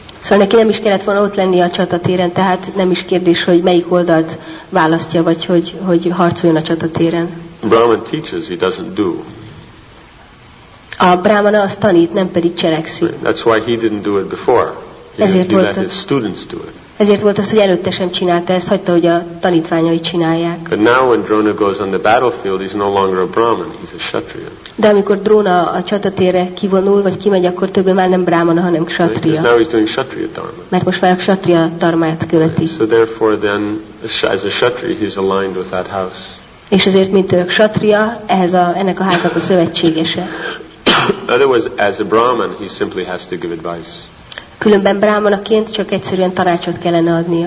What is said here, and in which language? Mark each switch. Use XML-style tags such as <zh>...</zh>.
<hu>Szóval neki nem is kellett volna ott lenni a csatatéren, tehát nem is kérdés, hogy melyik oldalt választja, vagy hogy harcoljon a csatatéren.</hu> <en>Brahman teaches, he doesn't do.</en> <hu>A brahmana azt tanít, nem pedig cselekszik.</hu> <en>That's why he didn't do it before.</en> <hu>Ezért</hu> <en>he let his students do it.</en> <hu>Ezért volt az, hogy előtte sem csinálta ezt, hagyta, hogy a tanítványai csinálják.</hu> <en>But now when Drona goes on the battlefield, he's no longer a Brahman, he's a Kshatriya.</en> <hu>De amikor Drona a csatatérre kivonul, vagy kimegy, akkor többé már nem Brahmana, hanem Kshatriya.</hu> <en>Because now he's doing Kshatriya dharma.</en> <hu>Mert most már a Kshatriya dharmáját követi.</hu> <en>So therefore then, as a Kshatriya, he's aligned with that house.</en> <hu>És ezért, mint ő Kshatriya, ehhez a, ennek a háznak a szövetségese.</hu> <en>Otherwise, as a Brahman, he simply has to give advice.</en> <hu>Különben brámanaként csak egyszerűen tanácsot kellene adnia.</hu>